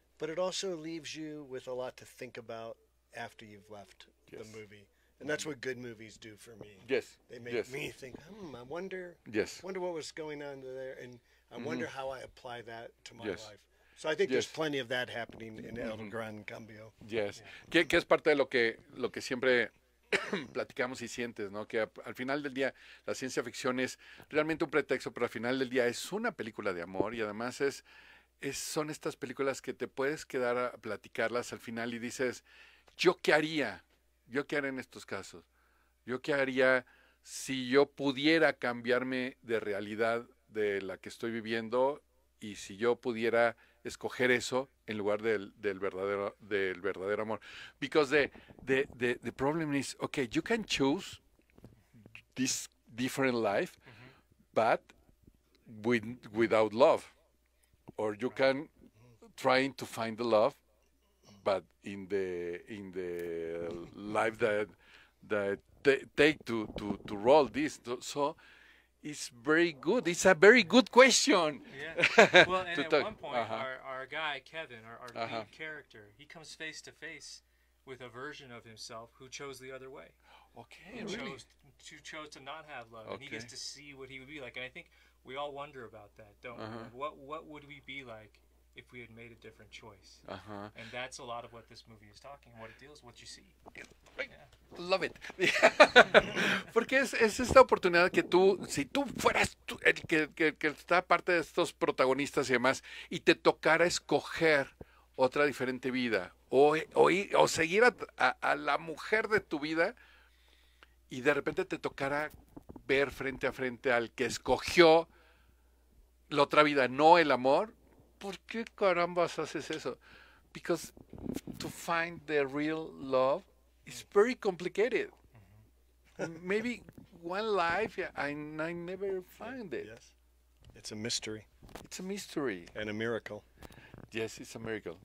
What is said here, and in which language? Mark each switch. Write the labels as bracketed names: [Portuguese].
[English] But it also leaves you with a lot to think about after you've left the movie. And that's what good movies do for me. Yes. They make me think, I wonder, wonder what was going on there, and I wonder how I apply that to my life. So I think there's plenty of that happening in El Gran Cambio. Yes. Yeah. [Spanish] Que es parte de lo que siempre platicamos y sientes, ¿no? Que al final del día la ciencia ficción es realmente un pretexto, pero al final del día es una película de amor y además son estas películas que te puedes quedar a platicarlas al final y dices, ¿yo qué haría? ¿Yo qué haría en estos casos? ¿Yo qué haría si yo pudiera cambiarme de realidad de la que estoy viviendo y si yo pudiera escoger eso en lugar del verdadero amor? [English] Because the problem is, okay, you can choose this different life, but without love. Or you can try to find the love, but in the life that take to roll this. So it's very good. It's a very good question. Yeah. Well, and at talk. One point, our guy, Kevin, our lead character, he comes face to face with a version of himself who chose the other way. Okay, who really? Chose to not have love. Okay. And he gets to see what he would be like. And I think we all wonder about that, don't we? What would we be like if we had made a different choice? Uh-huh. And that's a lot of what this movie is talking, what it deals with, what you see. Yeah. Love it. [Spanish] Porque es esta oportunidad que tú, si tú fueras tú, el que está parte de estos protagonistas y demás, y te tocara escoger otra diferente vida, o seguir a la mujer de tu vida, y de repente te tocara ver frente a frente al que escogió la otra vida, no el amor. ¿Por qué carambas haces eso? [English] Because to find the real love is very complicated. Maybe one life and I never find it. Yes. It's a mystery. It's a mystery. And a miracle. Yes, it's a miracle.